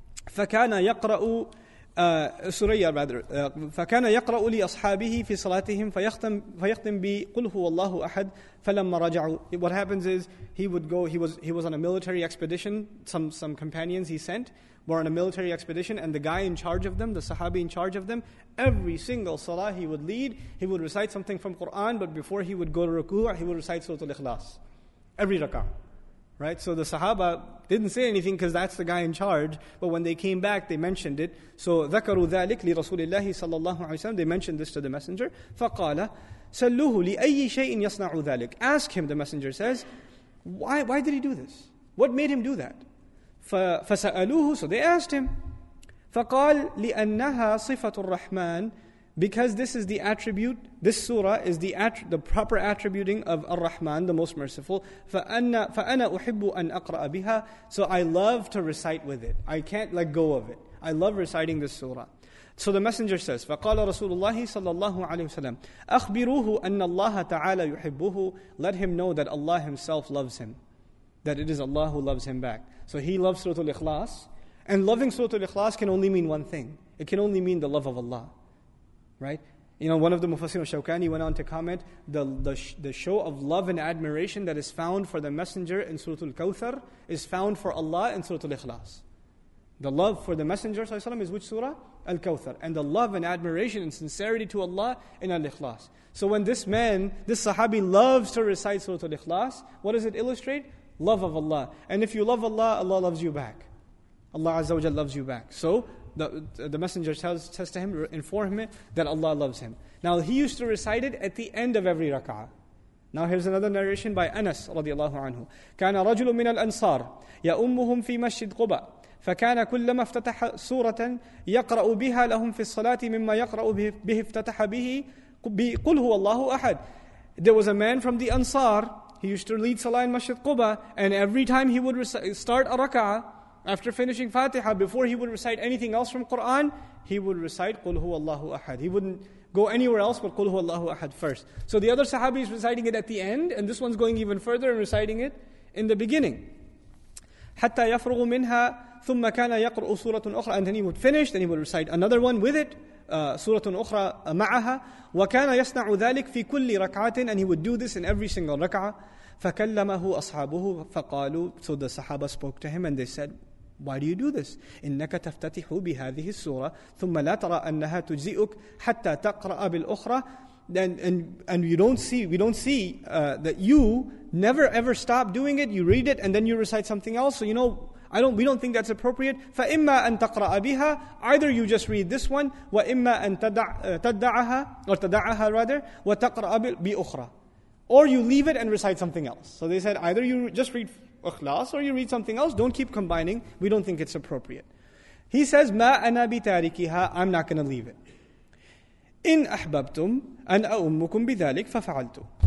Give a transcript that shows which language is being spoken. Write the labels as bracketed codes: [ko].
[ar] فكان يقرأ سريا رather فكان يقرأ لأصحابه في صلاتهم فيختم بقل هو الله أحد فلما رجعوا. [en] What happens is he was on a military expedition. Some companions he sent were on a military expedition, and the guy in charge of them, the Sahabi in charge of them, every single salah he would lead, he would recite something from Quran, but before he would go to ruku', he would recite Surah Al-Ikhlas every rak'ah. Right, so the Sahaba didn't say anything because that's the guy in charge. But when they came back, they mentioned it. So [ar] ذكروا ذلك لرسول الله صلى الله عليه وسلم. [en] They mentioned this to the messenger. [ar] فقال سلوه لأي شيء يصنع ذلك. [en] Ask him, the messenger says, why did he do this? What made him do that? [ar] فسألوه. [en] So they asked him. [ar] فقال لأنها صفة الرحمن. [en] Because this is the attribute, this surah is the proper attributing of Ar-Rahman, the Most Merciful. [ar] فَأَنَا أُحِبُّ أَنْ أَقْرَأَ بِهَا. [en] So I love to recite with it. I can't let go of it. I love reciting this surah. So the messenger says, [ar] فَقَالَ رَسُولُ اللَّهِ صَلَّى اللَّهُ عَلَيْهُ وَسَلَّمُ أَخْبِرُوهُ أَنَّ اللَّهَ تَعَالَى يُحِبُّهُ. [en] Let him know that Allah himself loves him. That it is Allah who loves him back. So he loves Surah Al-Ikhlas. And loving Surah Al-Ikhlas can only mean one thing. It can only mean the love of Allah. Right, you know, one of the Mufassirin of Shawkani went on to comment the show of love and admiration that is found for the messenger in Surah Al-Kawthar is found for Allah in Surah Al-Ikhlas. The love for the messenger is which surah? Al-Kawthar. And the love and admiration and sincerity to Allah in Al-Ikhlas. So when this man, this sahabi, loves to recite Surah Al-Ikhlas, what does it illustrate? Love of Allah. And if you love Allah, Allah loves you back. Allah Azza wa Jalla loves you back. So the messenger says to him, inform him that Allah loves him. Now he used to recite it at the end of every rak'ah. Now here's another narration by Anas radiallahu anhu. [ar] كان رجل من الأنصار يأمهم في مسجد قباء فكان كلما افتتح سورة يقرأ بها لهم في الصلاة مما يقرأ به افتتح به قل هو الله أحد. [en] There was a man from the Ansar. He used to lead salah in Masjid Quba, and every time he would start a rak'ah, after finishing Fatiha, before he would recite anything else from Quran, he would recite [ar] قُلْ هُوَ اللَّهُ أَحَدٍ. [en] He wouldn't go anywhere else but [ar] قُلْ هُوَ اللَّهُ أَحَدٍ [en] first. So the other Sahabi is reciting it at the end, and this one's going even further and reciting it in the beginning. [ar] حَتَّى يَفْرُغُ مِنْهَا ثُمَّ كَانَ يَقْرُؤُ سُورَةٌ أُخْرَى. [en] And then he would finish, then he would recite another one with it, [ar] سُورَةٌ أُخْرَى مَعَهَا. وَكَانَ يَصْنَعُ ذَلِكْ فِي كُلِّ رَكْعَةٍ. [en] And he would do this in every single rak'ah. [ar] فَكَلَّمَهُ أَصْحَابُهُ فَقَالُوا. [en] So the Sahaba spoke to him and they said, why do you do this? [ar] إِنَّكَ تَفْتَتِحُ بِهَذِهِ السُّورَةِ ثُمَّ لَا تَرَى أَنَّهَا تُجْزِئُكْ حَتَّى تَقْرَأَ بِالْأُخْرَى. [en] And we don't see that you never ever stop doing it. You read it and then you recite something else. So you know, we don't think that's appropriate. [ar] فَإِمَّا أَن تَقْرَأَ بِهَا. [en] Either you just read this one. [ar] وَإِمَّا أَن تَدَّعَهَا [en] or [ar] تَدَّعَهَا rather. وَتَقْرَأَ بِأُخْرَى. [en] Or you leave it and recite something else. So they said, either you just read Ikhlas or you read something else. Don't keep combining. We don't think it's appropriate. He says, [ar] مَا أَنَا بِتَارِكِهَا. [en] I'm not going to leave it. [ar] إِنْ أَحْبَبْتُمْ أَنْ أَؤُمُّكُمْ بِذَلِكَ فَفَعَلْتُ.